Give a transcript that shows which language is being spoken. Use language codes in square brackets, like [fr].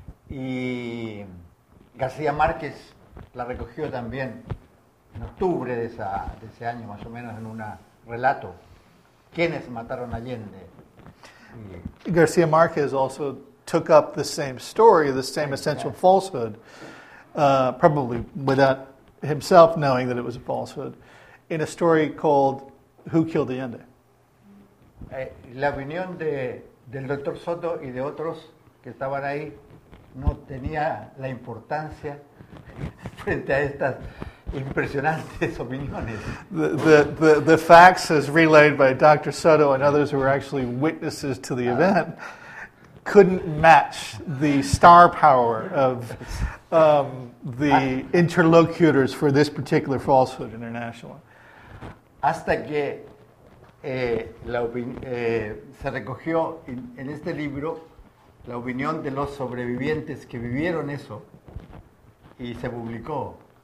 [es] Y García Márquez la recogió también en octubre de ese año, más o menos, en un relato. ¿Quiénes mataron a Allende? [en] García Márquez also took up the same story, the same essential falsehood, probably without himself knowing that it was a falsehood, in a story called Who Killed Allende? [es] La opinión del doctor Soto y de otros que estaban ahí no tenía la importancia frente a estas impresionantes opiniones. [en] The facts as relayed by Dr. Soto and others who were actually witnesses to the event couldn't match the star power of the interlocutors for this particular falsehood internationally. [es] Hasta que se recogió en este libro la opinión de los sobrevivientes que vivieron eso y se publicó.